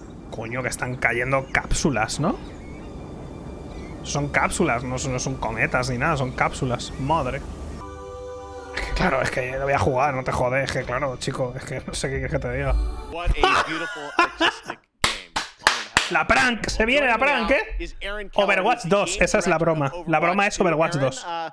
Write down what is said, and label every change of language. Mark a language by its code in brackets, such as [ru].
[es] Coño, que están cayendo cápsulas, ¿no? Son cápsulas, no son cometas ni nada, son cápsulas. Madre. Es que claro, es que lo voy a jugar, no te jodes. Es que claro, chico, es que no sé qué quieres que te diga. [en] What a beautiful artistic game. [es] La prank, se viene la prank, ¿eh? Overwatch 2, esa es la broma. La broma es Overwatch 2.